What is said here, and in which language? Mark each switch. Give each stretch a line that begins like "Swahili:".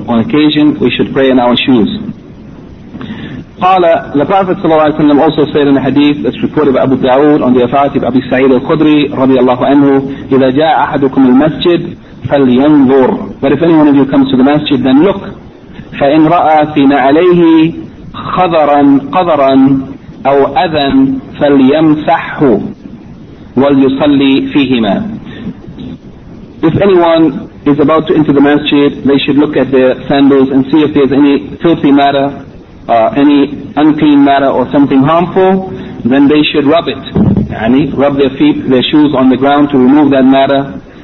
English: On occasion, we should pray in our shoes. The Prophet ﷺ also said in a hadith that's reported by Abu Dawood on the authority of Abi Sa'id al-Khudri رضي الله عنه,
Arabic: إذا جاء أحدكم المسجد فلينظر.
English: But if anyone of you comes to the masjid, then look.
Arabic: فإن رأى في نعليه خضرا قضرا أو أذى فليمسحه وليصلي فيهما.
English: If anyone is about to enter the masjid, they should look at their sandals and see if there's any filthy matter, any unclean matter or something harmful, then they should rub it. يعني rub their feet, their shoes on the ground to remove that matter.